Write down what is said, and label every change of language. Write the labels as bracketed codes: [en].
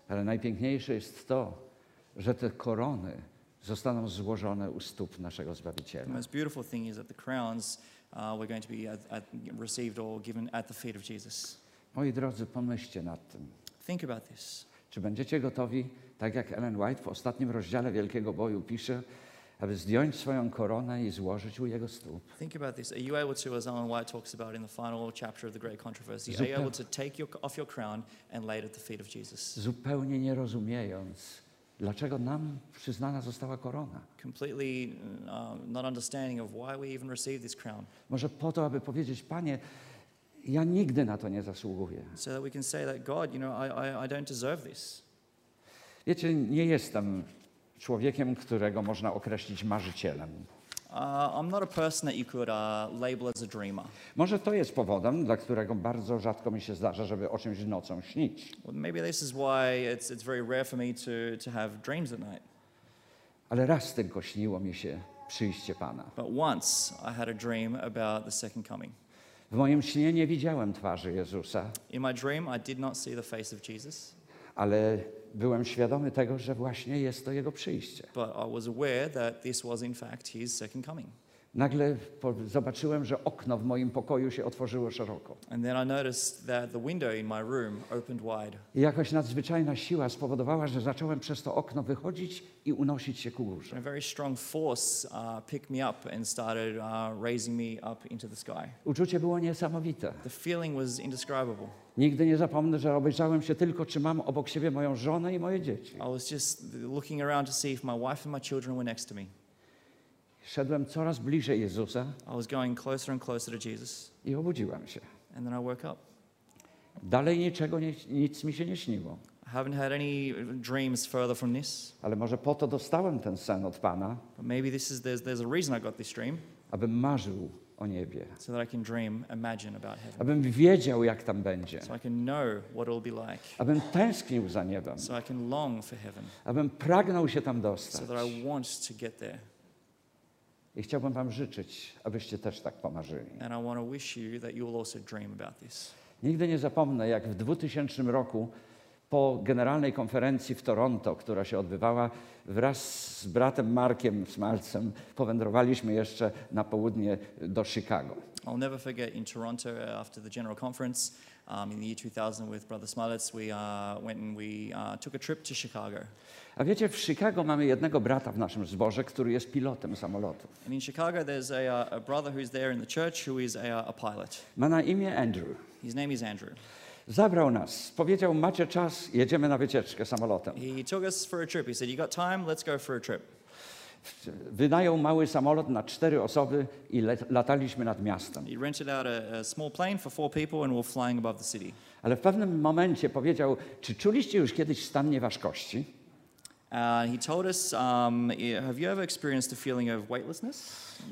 [pl] Ale najpiękniejsze jest to, że te korony zostaną złożone u stóp naszego Zbawiciela. [en] The most beautiful thing is that the crowns we're going to be received or given at the feet of Jesus. [pl] Moi drodzy, pomyślcie nad tym. [en] Think about this. [pl] Czy będziecie gotowi, tak jak Ellen White w ostatnim rozdziale Wielkiego Boju pisze, aby zdjąć swoją koronę i złożyć u jego stóp. [en] Think about this. Are you able to, as Ellen White talks about in the final chapter of the Great Controversy, are you able to take your, off your crown and lay it at the feet of Jesus? [pl] Zupełnie nie rozumiejąc, dlaczego nam przyznana została korona? [en] Completely not understanding of why we even received this crown. [pl] Może po to, aby powiedzieć, Panie, ja nigdy na to nie zasługuję. [en] So that we can say that God, you know, I don't deserve this. [pl] Wiecie, nie jestem człowiekiem, którego można określić marzycielem. [en] I'm not a person that you could label as a dreamer. [pl] Może to jest powodem, dla którego bardzo rzadko mi się zdarza, żeby o czymś nocą śnić. [en] Well, maybe this is why it's very rare for me to have dreams at night. [pl] Ale raz tylko śniło mi się przyjście Pana. [en] But once I had a dream about the second coming. [pl] W moim śnie nie widziałem twarzy Jezusa. [en] In my dream I did not see the face of Jesus. [pl] Ale byłem świadomy tego, że właśnie jest to jego przyjście. [en] But I was aware that this was in fact his second coming. [pl] Nagle zobaczyłem, że okno w moim pokoju się otworzyło szeroko. [en] And then I noticed that the window in my room opened wide. [pl] I jakaś nadzwyczajna siła spowodowała, że zacząłem przez to okno wychodzić i unosić się ku górze. [en] A very strong force picked me up and started raising me up into the sky. [pl] Uczucie było niesamowite. [en] The feeling was indescribable. [pl] Nigdy nie zapomnę, że obejrzałem się tylko, czy mam obok siebie moją żonę i moje dzieci. [en] I was just looking around to see if my wife and my children were next to me. [pl] Szedłem coraz bliżej Jezusa. [en] I was going closer and closer to Jesus. [pl] I obudziłem się. [en] And then I woke up. [pl] Dalej niczego, nic mi się nie śniło. [en] I haven't had any dreams further from this. [pl] Ale może po to dostałem ten sen od Pana. [en] But maybe this is there's a reason I got this dream. [pl] Abym marzył o niebie. [en] So that I can dream, imagine about heaven. [pl] Abym wiedział, jak tam będzie. [en] So I can know what it'll be like. [pl] Abym tęsknił za niebem. [en] So I can long for heaven. [pl] Abym pragnął się tam dostać. [en] So that I want to get there. [pl] I chciałbym wam życzyć, abyście też tak pomarzyli. [en] And I want to wish you that you will also dream about this. [pl] Nigdy nie zapomnę, jak w 2000 roku po generalnej konferencji w Toronto, która się odbywała, wraz z bratem Markiem Smalcem powędrowaliśmy jeszcze na południe do Chicago. [en] I'll never forget in Toronto after the general conference in the year 2000 with brother Smalec, we took a trip to Chicago. [pl] A wiecie, w Chicago mamy jednego brata w naszym zborze, który jest pilotem samolotu. [en] And in Chicago there's a brother who's there in the church who is a pilot. [pl] Ma na imię Andrew. [en] His name is Andrew. [pl] Zabrał nas. Powiedział, macie czas, jedziemy na wycieczkę samolotem. [en] He took us for a trip. He said, you got time, let's go for a trip. [pl] Wynajął mały samolot na 4 osoby i lataliśmy nad miastem. [en] He rented out a small plane for 4 people and we're flying above the city. [pl] Ale w pewnym momencie powiedział, czy czuliście już kiedyś stan nieważkości? [en] He told us, have you ever experienced a feeling of weightlessness?